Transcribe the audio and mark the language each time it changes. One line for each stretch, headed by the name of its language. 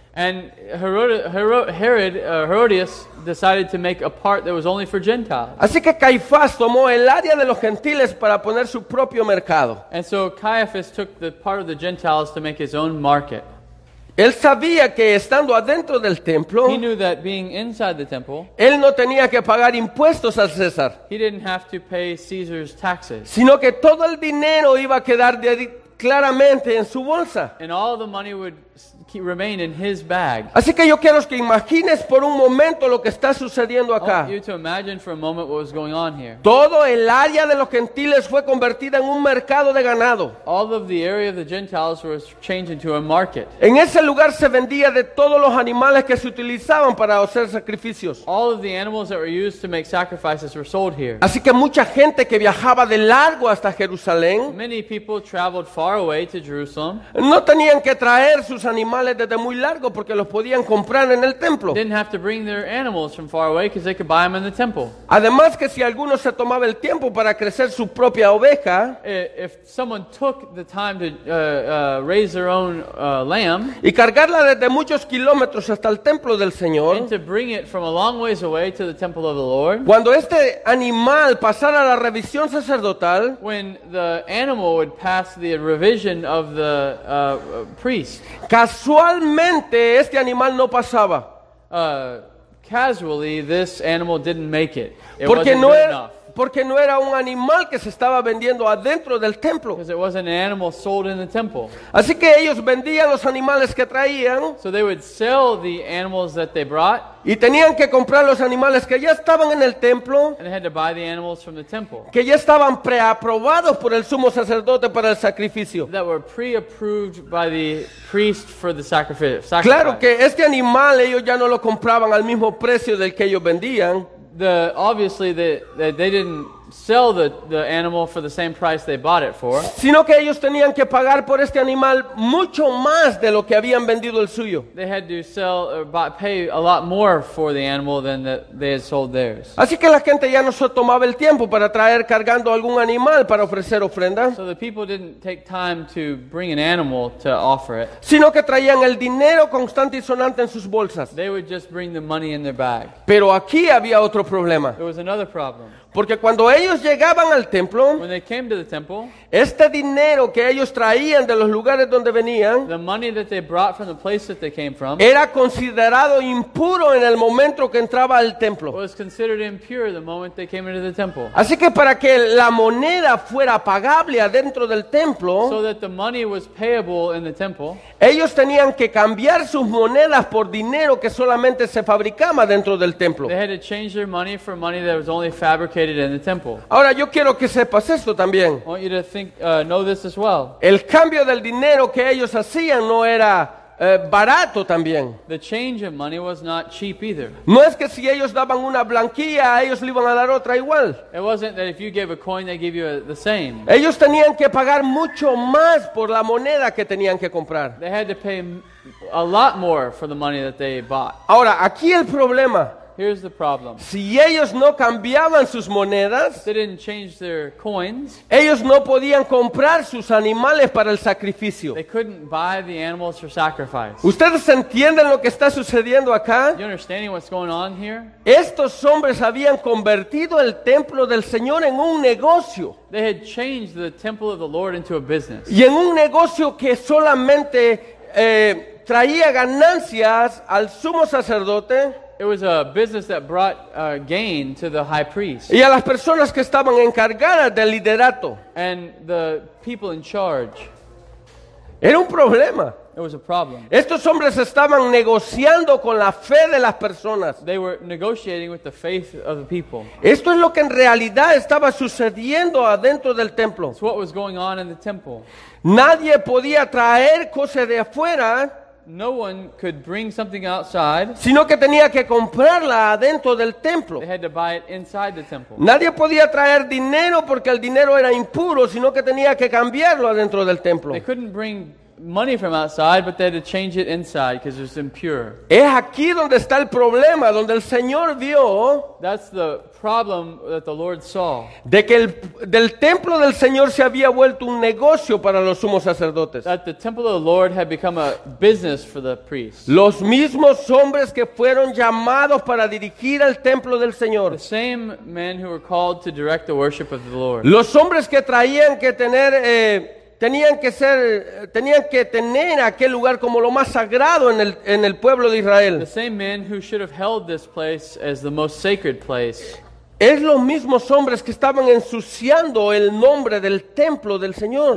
English: And Herodias decided to make a part that was only for Gentiles.
Spanish: Así que Caifás tomó el área de los gentiles para poner su propio mercado.
English: And so Caiaphas took the part of the Gentiles to make his own market.
Spanish: Él sabía que estando adentro del templo,
English: he knew that being inside the temple,
Spanish: él no tenía que pagar impuestos al César.
English: He didn't have to pay Caesar's taxes.
Spanish: Sino que todo el dinero iba a quedar claramente en su bolsa.
English: And all the money would remain in his bag.
Spanish: Así que yo quiero que imagines por un momento lo que está sucediendo acá.
English: I want you to imagine for a moment what was going on here.
Spanish: Todo el área de los gentiles fue convertida en un mercado de ganado.
English: All of the area of the Gentiles was changed into a market.
Spanish: En ese lugar se vendía de todos los animales que se utilizaban para hacer sacrificios.
English: All of the animals that were used to make sacrifices were sold here.
Spanish: Así que mucha gente que viajaba de largo hasta Jerusalén,
English: many people traveled far away to Jerusalem,
Spanish: no tenían que traer sus animales desde muy largo porque los podían comprar en el templo.
English: Didn't have to bring their animals from far away because they could buy them in the temple.
Spanish: Además que si alguno se tomaba el tiempo para crecer su propia oveja,
English: if someone took the time to raise their own lamb,
Spanish: y cargarla desde muchos kilómetros hasta el templo del Señor,
English: and to bring it from a long ways away to the temple of the Lord,
Spanish: cuando este animal pasara la revisión sacerdotal,
English: when the animal would pass the revision of the priest,
Spanish: casualmente este animal no pasaba.
English: Casually, this animal didn't make it.
Spanish: Porque no era un animal que se estaba vendiendo adentro del templo.
English: Because it wasn't an animal sold in the temple.
Spanish: Así que ellos vendían los animales que traían.
English: So they would sell the animals that they brought.
Spanish: Y tenían que comprar los animales que ya estaban en el templo.
English: And they had to buy the animals from the temple.
Spanish: Que ya estaban preaprobados por el sumo sacerdote para el sacrificio.
English: That were pre-approved by the priest for the sacrifice.
Spanish: Claro que este animal ellos ya no lo compraban al mismo precio del que ellos vendían.
English: Obviously, they didn't sell the animal for the same price they bought it for.
Spanish: Sino que ellos tenían que pagar por este animal mucho más de lo que habían vendido el suyo.
English: They had to sell or pay a lot more for the animal than that they had sold theirs.
Spanish: Así que la gente ya no se tomaba el tiempo para traer cargando algún animal para ofrecer ofrenda.
English: So the people didn't take time to bring an animal to offer it.
Spanish: Sino que traían el dinero constante y sonante en sus bolsas.
English: They would just bring the money in their bag.
Spanish: Pero aquí había otro problema.
English: There was another problem.
Spanish: Porque cuando ellos llegaban al templo,
English: when they came to the temple,
Spanish: este dinero que ellos traían de los lugares donde venían,
English: the money that they brought from the place that they came from,
Spanish: era considerado impuro en el momento que entraba al templo.
English: Was considered impure the moment they came into the temple.
Spanish: Así que para que la moneda fuera pagable adentro del templo,
English: so that the money was payable in the temple,
Spanish: ellos tenían que cambiar sus monedas por dinero que solamente se fabricaba dentro del templo.
English: They had to change their money for money that was only fabricated in the temple.
Spanish: Ahora yo quiero que sepas esto también.
English: I want you to think, know this as well.
Spanish: El cambio del dinero que ellos hacían no era barato también.
English: The change of money was not cheap either.
Spanish: No es que si ellos daban una blanquilla, ellos le iban a dar otra igual.
English: It wasn't that if you gave a coin, they gave you the same.
Spanish: Ellos tenían que pagar mucho más por la moneda que tenían que comprar.
English: They had to pay a lot more for the money that they bought.
Spanish: Ahora, aquí el problema.
English: Here's the problem.
Spanish: Si ellos no cambiaban sus monedas,
English: they didn't change their coins,
Spanish: ellos no podían comprar sus animales para el sacrificio.
English: They couldn't buy the animals for sacrifice.
Spanish: ¿Ustedes entienden lo que está sucediendo acá?
English: You understanding what's going on here?
Spanish: Estos hombres habían convertido el templo del Señor en un negocio.
English: They had changed the temple of the Lord into a business.
Spanish: Y en un negocio que solamente traía ganancias al sumo sacerdote.
English: It was a business that brought gain to the high priest.
Spanish: Y a las personas que estaban encargadas del liderato.
English: And the people in charge.
Spanish: Era un problema.
English: There was a problem.
Spanish: Estos hombres estaban negociando con la fe de las personas.
English: They were negotiating with the faith of the people.
Spanish: Esto es lo que en realidad estaba sucediendo adentro del templo.
English: It's what was going on in the temple.
Spanish: Nadie podía traer cosas de afuera.
English: No one could bring something outside.
Spanish: Sino que tenía que comprarla adentro del templo.
English: They had to buy it inside the temple.
Spanish: Nadie podía traer dinero porque el dinero era impuro, sino que tenía que cambiarlo adentro del templo.
English: They couldn't bring money from outside, but they had to change it inside because it's impure.
Spanish: Es aquí donde está el problema, donde el Señor vio.
English: That's the problem that the Lord saw.
Spanish: De que del templo del Señor se había vuelto un negocio para los sumos sacerdotes.
English: That the temple of the Lord had become a business for the priests.
Spanish: Los mismos hombres que fueron llamados para dirigir el templo del Señor.
English: The same men who were called to direct the worship of the Lord.
Spanish: Los hombres que traían que tener tenían que tener aquel lugar como lo más sagrado en el pueblo de Israel.
English: The same men who should have held this place as the most sacred place.
Spanish: Es los mismos hombres que estaban ensuciando el nombre del templo del Señor.